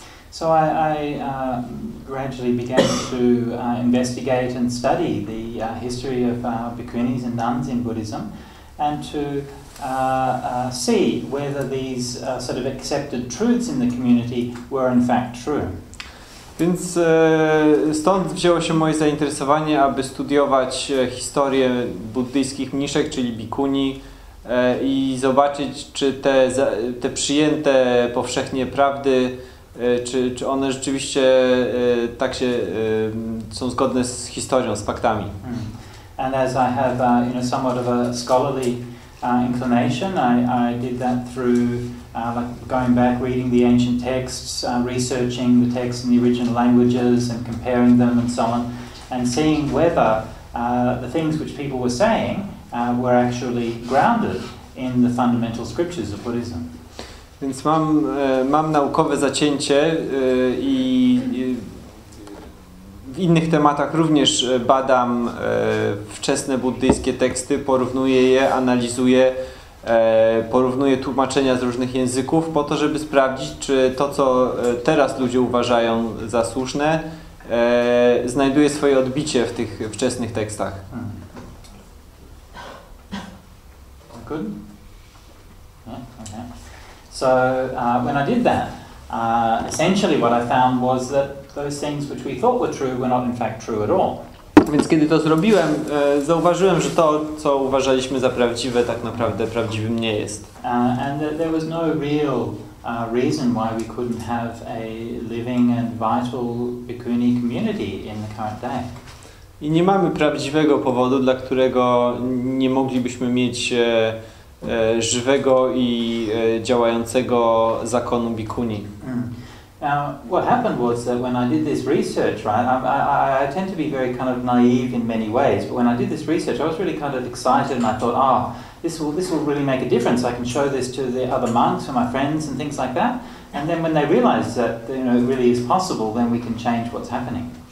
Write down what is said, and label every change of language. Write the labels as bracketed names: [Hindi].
[English] So I gradually began to investigate and study the history of bhikkhunis and nuns in Buddhism and to see whether these sort of accepted truths in the community were in fact true. [Polish] Więc stąd wzięło się moje zainteresowanie, aby studiować historię buddyjskich mniszek, czyli bikuni, i zobaczyć, czy te przyjęte powszechnie prawdy, czy one rzeczywiście tak się są zgodne z historią, z faktami. [English] And as I have you know, somewhat of a scholarly inclination, I did that through going back, reading the ancient texts, researching the texts in the original languages and comparing them and so on, and seeing whether the things which people were saying were actually grounded in the fundamental scriptures of Buddhism. [Polish] Więc mam naukowe zacięcie i w innych tematach również badam wczesne buddyjskie teksty, porównuję je, analizuję, porównuję tłumaczenia z różnych języków po to, żeby sprawdzić, czy to, co teraz ludzie uważają za słuszne, znajduje swoje odbicie w tych wczesnych tekstach. [English] Good? So when I did that, essentially what I found was that those things which we thought were true were not in fact true at all. [Polish] Więc kiedy to zrobiłem, zauważyłem, że to, co uważaliśmy za prawdziwe, tak naprawdę prawdziwym nie jest. [English] And that there was no real reason why we couldn't have a living and vital bhikkhuni community in the current day. [Polish] I nie mamy prawdziwego powodu, dla którego nie moglibyśmy mieć żywego i działającego zakonu bhikkhuni. [English] Now, what happened was that when I did this research, right? I tend to be very kind of naive in many ways, but when I did this research, I was really kind of excited, and I thought, this will really make a difference. I can show this to the other monks and my friends and things like that. And then when they realized that, you know, it really is possible, then we can change what's happening.